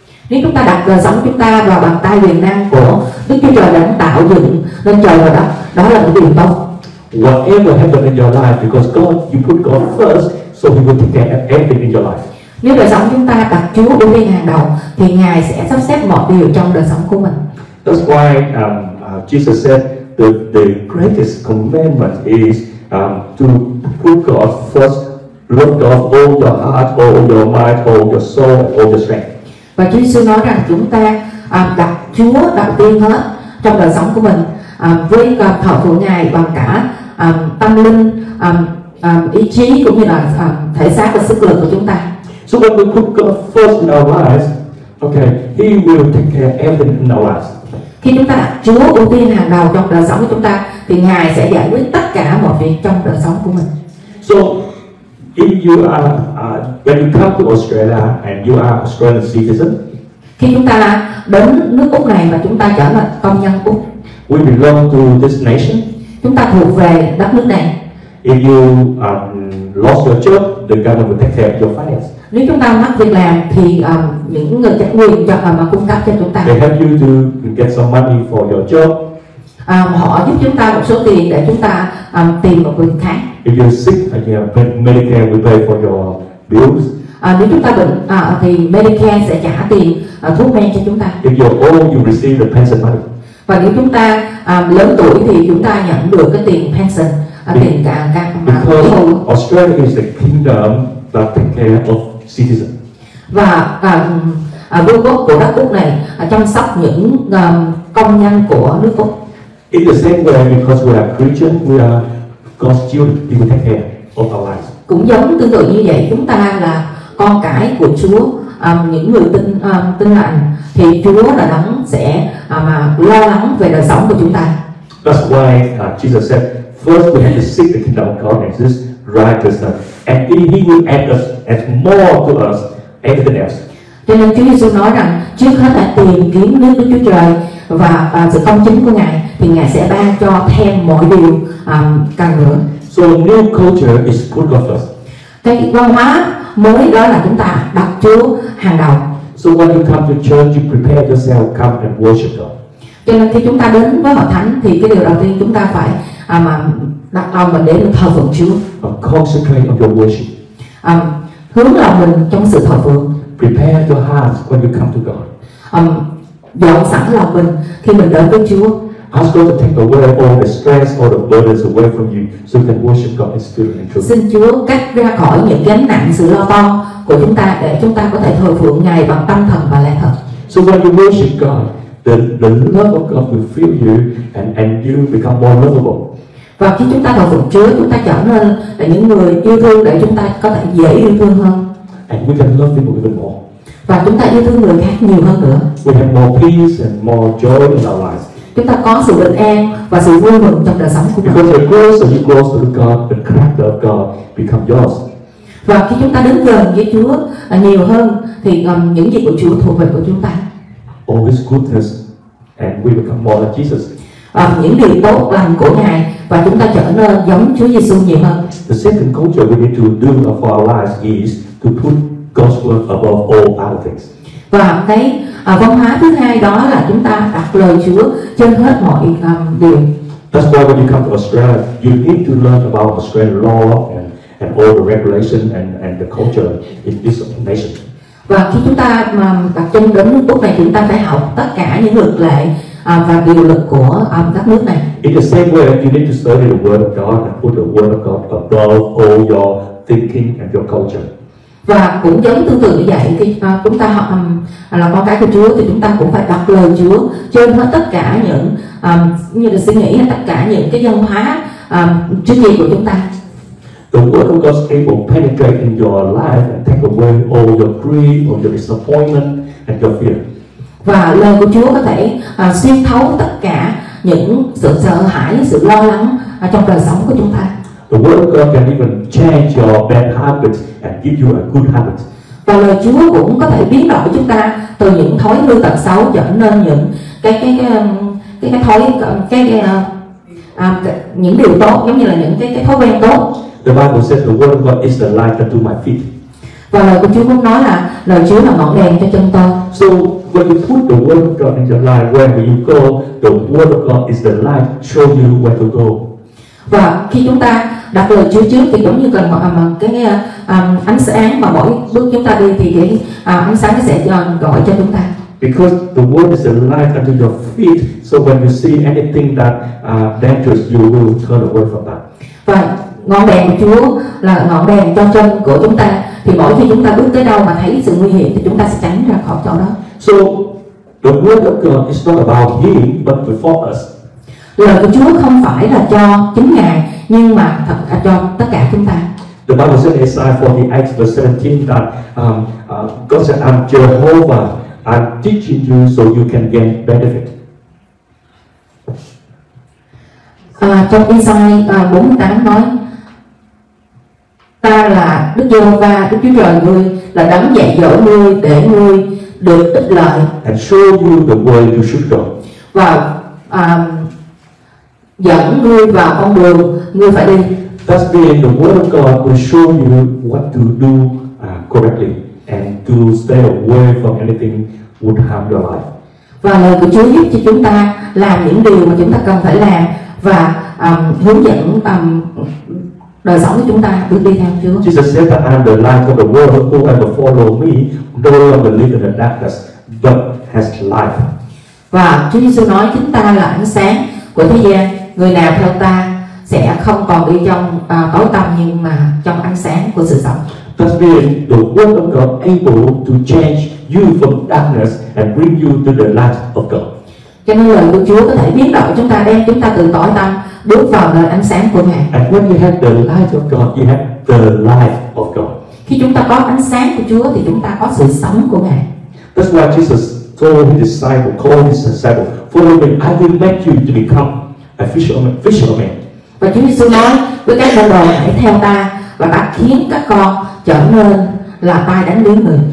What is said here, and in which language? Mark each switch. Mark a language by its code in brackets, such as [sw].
[vi] Nếu chúng ta đặt đời sống chúng ta vào bàn tay quyền năng của Đức Chúa Trời đã tạo dựng lên trời và đất, đó là một điều tốt. [en] Whatever happens in your life, because God, you put God first, so He will take care of everything in your life. [vi] Nếu đời sống chúng ta đặt Chúa ưu tiên hàng đầu, thì Ngài sẽ sắp xếp mọi điều trong đời sống của mình. [en] That's why Jesus said the greatest commandment is to put God first, love God all your heart, all your mind, all your soul, all your strength. [vi] Và Chúa Giêsu nói rằng chúng ta đặt Chúa đặt tiên hết trong đời sống của mình với thờ phượng Ngài bằng cả tâm linh, ý chí cũng như là thể xác và sức lực của chúng ta. [en] So when we put God first in our lives, okay, He will take care of everything in our lives. [vi] Khi chúng ta đặt Chúa ưu tiên hàng đầu trong đời sống của chúng ta, thì Ngài sẽ giải quyết tất cả mọi việc trong đời sống của mình. [en] So, if you are when you come to Australia and you are Australian citizen, [vi] khi chúng ta đến nước Úc này và chúng ta trở thành công dân Úc, [en] we belong to this nation. [vi] Chúng ta thuộc về đất nước này. [en] If you lost your job, the government will take care of your finances. [vi] Nếu chúng ta mất việc làm thì những người chắc quyền cho mà cung cấp cho chúng ta. [en] They help you to get some money for your job. [vi] Họ giúp chúng ta một số tiền để chúng ta tìm một việc khác. [en] If you're sick, you have Medicare will pay for your bills. [vi] Nếu chúng ta bệnh thì Medicare sẽ trả tiền thuốc men cho chúng ta. [en] If you're old, you receive the pension money. [vi] Và nếu chúng ta lớn tuổi thì chúng ta nhận được cái tiền pension, tiền [en] Because Australia is the kingdom that take care of citizens. [vi] Và vương quốc của đất nước này chăm sóc những công nhân của nước Úc. [en] In the same way, because we are Christian, we are God's children, we take care of our lives. [vi] Cũng giống tương tự như vậy, chúng ta là con cái của Chúa, những người tin tin lành, thì Chúa là đấng sẽ lo lắng về đời sống của chúng ta. [en] That's why Jesus said, first we have to seek the kingdom of God and His righteousness, and He will add us, add more to us, everything else. [vi] Cho nên Chúa Giêsu nói rằng trước hết là tìm kiếm nước của Chúa Trời và sự công chính của Ngài, thì Ngài sẽ ban cho thêm mọi điều cần nữa. [en] So new culture is put God first. [vi] Cái văn hóa mới đó là chúng ta đặt Chúa hàng đầu. [en] So when you come to church, you prepare yourself, come and worship God. [vi] Cho nên khi chúng ta đến với hội thánh thì cái điều đầu tiên chúng ta phải đặt lòng mình để được thờ phượng Chúa. [en] Concentrate on your worship. [vi] Hướng lòng mình trong sự thờ phượng. [en] Prepare your heart when you come to God. [vi] Dọn sẵn lòng mình khi mình đến với Chúa. [en] Ask God to take away all the stress, all the burdens away from you, so you can worship God in spirit and truth. [vi] Xin Chúa cắt ra khỏi những gánh nặng, sự lo toan của chúng ta để chúng ta có thể thờ phượng Ngài bằng tâm thần và lẽ thật. [en] So when you worship God, the love of God will fill you and you become more lovable. [vi] Và khi chúng ta thờ phượng Chúa, chúng ta trở nên là những người yêu thương để chúng ta có thể dễ yêu thương hơn. [en] And we can love people even more. [vi] Và chúng ta yêu thương người khác nhiều hơn nữa. [en] We have more peace and more joy in our lives. [vi] Chúng ta có sự bình an và sự vui mừng trong đời sống của mình. [en] Because you're closer, you're closer to God, the character of God become yours. [vi] Và khi chúng ta đến gần với Chúa nhiều hơn, thì những gì của Chúa thuộc về của chúng ta. [en] All His goodness, and we become more like Jesus. [vi] Những điều tốt lành của Ngài và chúng ta trở nên giống Chúa Giêsu nhiều hơn. [en] The second culture we need to do for our lives is to put God's word above all other things. [vi] Và cái văn hóa thứ hai đó là chúng ta đặt lời Chúa trên hết mọi điều. [en] That's why when you come to Australia, you need to learn about Australian law and all the regulation and the culture in this nation. [vi] Và khi chúng ta mà đặt chân đến nước Úc này, chúng ta phải học tất cả những luật lệ và điều luật của đất nước này. [en] In the same way, you need to study the Word of God and put the Word of God above all your thinking and your culture. [vi] Và cũng giống tương tự như vậy, khi chúng ta học là con cái của Chúa, thì chúng ta cũng phải đặt lời Chúa trên hết tất cả những như là suy nghĩ hay tất cả những cái văn hóa trí nghiệp của chúng ta. [en] The Word of God will penetrate in your life and take away all your grief, all your disappointment and your fear. [vi] Và lời của Chúa có thể xuyên thấu tất cả những sự sợ hãi, sự lo lắng trong đời sống của chúng ta. [en] The Word of God can even change your bad habits and give you a good habit. [vi] Và lời Chúa cũng có thể biến đổi chúng ta từ những thói hư tật xấu trở nên những cái thói cái những điều tốt, giống như là những cái thói quen tốt. [en] The Bible says the word of God is the light unto my feet. [vi] Và lời của Chúa cũng nói là lời Chúa là ngọn đèn cho chân tôi. [en] So when you put the word of God in your life, wherever you go, the word of God is the light show you where to go. [vi] Và khi chúng ta đặt lời Chúa trước thì giống như cần một cái ánh sáng, mà mỗi bước chúng ta đi thì cái ánh sáng nó sẽ gọi cho chúng ta. [en] Because the word is a light unto your feet, so when you see anything that dangerous, you will turn away from that. [vi] Và ngọn đèn của Chúa là ngọn đèn cho chân của chúng ta, thì mỗi khi chúng ta bước tới đâu mà thấy sự nguy hiểm thì chúng ta sẽ tránh ra khỏi chỗ đó. [en] So the word of God is not about him but before us. [vi] Lời của Chúa không phải là cho chính Ngài, nhưng mà thật là cho tất cả chúng ta. [en] The Bible says in Isaiah 48 verse 17 that God said, I'm Jehovah, I'm teaching you so you can gain benefit. [vi] Trong Isaiah 48 nói, ta là Đức Giê-hô-va, Đức Chúa Trời ngươi, là đấng dạy dỗ ngươi để ngươi được ích lợi. [en] And show you the way you should go. [vi] Và dẫn ngươi vào con đường ngươi phải đi. [en] That's being the word of God will show you what to do correctly and to stay away from anything would harm your life. [vi] Và lời của Chúa giúp cho chúng ta làm những điều mà chúng ta cần phải làm và hướng dẫn đời sống của chúng ta bước đi theo Chúa. [en] Jesus said that I am the light of the world, whoever follow me no longer live in the darkness but has life. [vi] Và Chúa Giêsu nói chúng ta là ánh sáng của thế gian, người nào theo ta sẽ không còn đi trong tối tăm nhưng mà trong ánh sáng của sự sống. [en] That means the word of God able to change you from darkness and bring you to the light of God. [vi] Cho nên lời của Chúa có thể biến đổi chúng ta, đem chúng ta từ tối tăm bước vào nơi ánh sáng của Ngài. [en] And when you have the light of God, you have the life of God. [vi] Khi chúng ta có ánh sáng của Chúa thì chúng ta có sự sống của Ngài. [en] That's why Jesus told his disciple, called his disciple, follow me, I will make you to become a fisherman. [vi] Và Chúa Giêsu nói với các môn đồ, hãy theo ta và ta khiến các con trở nên là tai đánh lưới người.